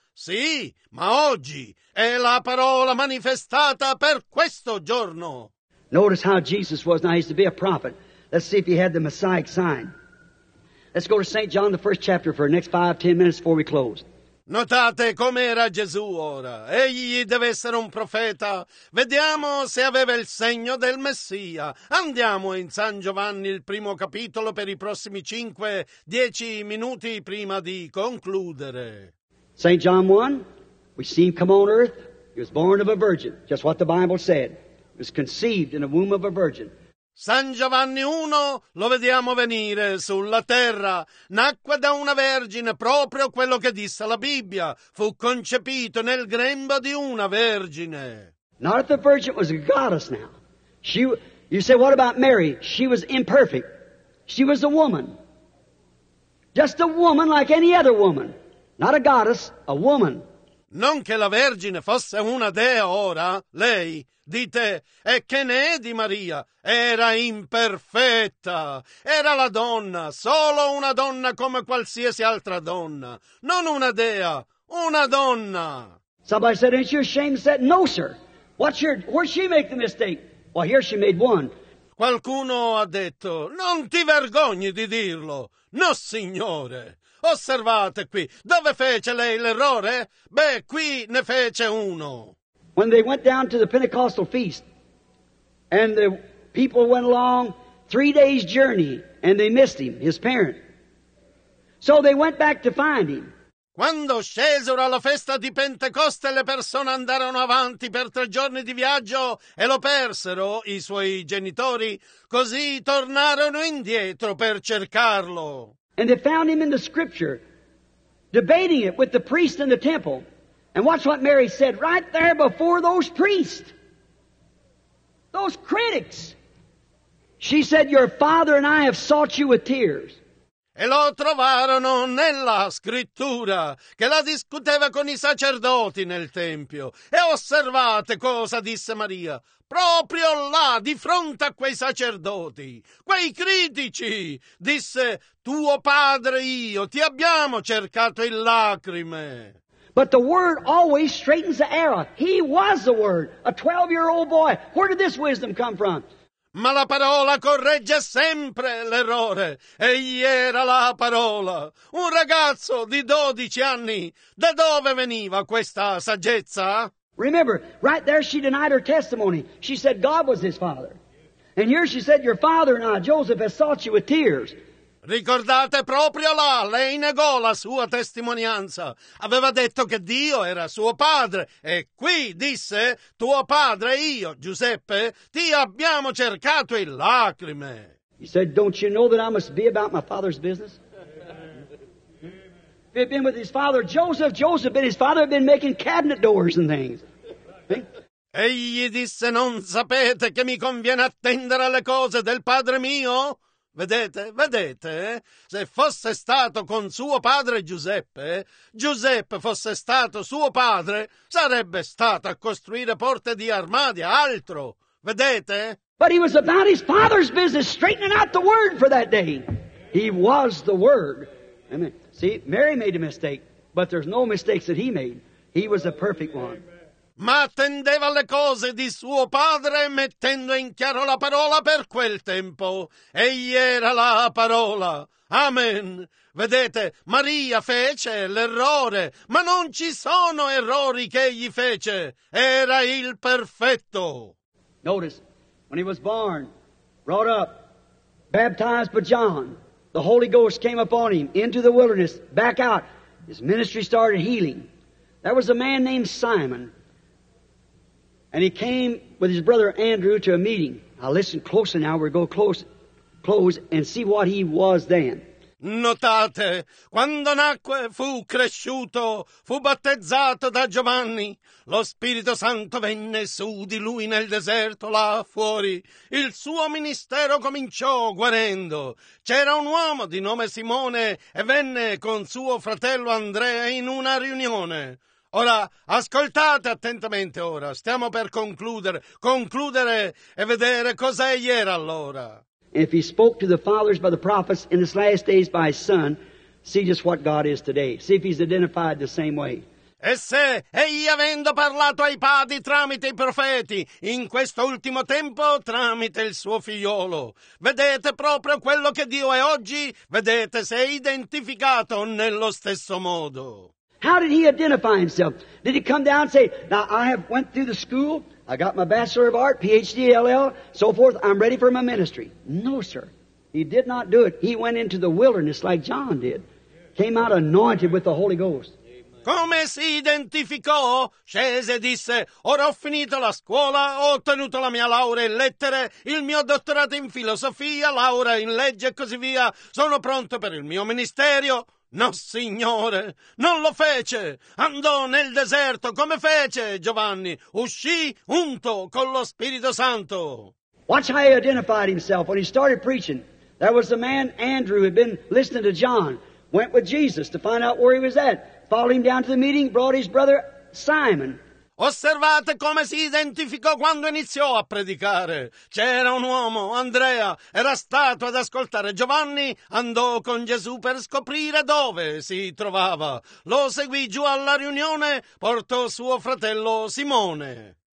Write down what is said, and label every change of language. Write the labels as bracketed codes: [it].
[it] Sì, ma oggi è la parola manifestata per questo giorno. [en] Notice how Jesus was. Now he's to be a prophet. Let's see if he had the Messiah sign. Let's go to St. John, the first chapter, for the next 5-10 minutes before we close. [it] Notate com'era Gesù ora. Egli deve essere un profeta. Vediamo se aveva il segno del Messia. Andiamo in San Giovanni, il primo capitolo, per i prossimi 5-10 minuti prima di concludere. [en] St. John 1, We see him come on earth. He was born of a virgin, just what the Bible said. He was conceived in the womb of a virgin. [it] San Giovanni 1 lo vediamo venire sulla terra, nacque da una vergine, proprio quello che disse la Bibbia, fu concepito nel grembo di una vergine. [en] Not if the virgin was a goddess now. She, you say, what about Mary? She was imperfect. She was a woman. Just a woman like any other woman. Not a goddess, a woman. [it] Non che la Vergine fosse una dea ora, lei, dite, e che ne è di Maria? Era imperfetta, era la donna, solo una donna come qualsiasi altra donna, non una dea, una donna. [en] Somebody said, ain't you ashamed? Said, no, sir. What's your, where'd she make the mistake? Well, here she made one. [it] Qualcuno ha detto, non ti vergogni di dirlo, no, signore. Osservate qui, dove fece lei l'errore? Beh, qui ne fece uno. [en] When they went down to the Pentecostal feast, and the people went along 3 days' journey, and they missed him, his parent. So they went back to find him. [it] Quando scesero alla festa di Pentecoste, le persone andarono avanti per 3 giorni di viaggio e lo persero, i suoi genitori, così tornarono indietro per cercarlo. [en] And they found him in the scripture, debating it with the priest in the temple. And watch what Mary said right there before those priests, those critics. She said, your father and I have sought you with tears. [it] E lo trovarono nella scrittura, che la discuteva con i sacerdoti nel tempio. E osservate cosa disse Maria. Proprio là, di fronte a quei sacerdoti, quei critici, disse, tuo padre io, ti abbiamo cercato in lacrime. [en] But the word always straightens the error. He was the word, a 12-year-old boy. Where did this wisdom come from? [it] Ma la parola corregge sempre l'errore. Egli era la parola. Un ragazzo di 12 anni. Da dove veniva questa saggezza? [en] Remember, right there she denied her testimony. She said God was his father. And here she said, your father and I, Joseph, has sought you with tears. [it] Ricordate proprio là, lei negò la sua testimonianza. Aveva detto che Dio era suo padre. E qui disse, tuo padre e io, Giuseppe, ti abbiamo cercato in lacrime. [en] He said, don't you know that I must be about my father's business? If he had been with his father Joseph, Joseph and his father had been making cabinet doors and things. [it] Egli disse, non sapete che mi conviene attendere alle cose del padre mio? Vedete, vedete, se fosse stato con suo padre Giuseppe, Giuseppe fosse stato suo padre, sarebbe stato a costruire porte di armadia, altro, vedete? [en] But he was about his father's business, straightening out the word for that day. He was the word. Amen. See, Mary made a mistake, but there's no mistakes that he made. He was a perfect one. [it] Ma attendeva le cose di suo padre mettendo in chiaro la parola per quel tempo. Egli era la parola. Amen. Vedete, Maria fece l'errore, ma non ci sono errori che egli fece. Era il perfetto. [en] Notice, when he was born, brought up, baptized by John, the Holy Ghost came upon him, into the wilderness, back out. His ministry started healing. There was a man named Simon. And he came with his brother Andrew to a meeting. Now listen closely now, we'll go close and see what he was then. [it] Notate, quando nacque, fu cresciuto, fu battezzato da Giovanni. Lo Spirito Santo venne su di lui nel deserto là fuori. Il suo ministero cominciò guarendo. C'era un uomo di nome Simone e venne con suo fratello Andrea in una riunione. Ora, ascoltate attentamente ora. Stiamo per concludere e vedere cosa egli era allora. [en] If he spoke to the fathers by the prophets in his last days by his son, see just what God is today. See if he's identified the same way. [it] E se egli avendo parlato ai padri tramite i profeti, in questo ultimo tempo tramite il suo figliolo. Vedete proprio quello che Dio è oggi? Vedete se è identificato nello stesso modo. [en] How did he identify himself? Did he come down and say, now I have went through the school, I got my Bachelor of Art, PhD, LL, so forth, I'm ready for my ministry. No, sir. He did not do it. He went into the wilderness like John did. Came out anointed with the Holy Ghost. [it] Come si identificò? Scese e disse: ora ho finito la scuola, ho ottenuto la mia laurea in lettere, il mio dottorato in filosofia, laurea in legge e così via. Sono pronto per il mio ministero. No, signore, non lo fece. Andò nel deserto. Come fece Giovanni? Uscì unto con lo Spirito Santo. [en] Watch how he identified himself when he started preaching. There was a man, Andrew, who had been listening to John, went with Jesus to find out where he was at. Followed him down to the meeting, brought his brother Simon. [it] Osservate come si identificò quando iniziò a predicare. C'era un uomo, Andrea, era stato ad ascoltare Giovanni, andò con Gesù per scoprire dove si trovava. Lo seguì giù alla riunione, portò suo fratello Simone.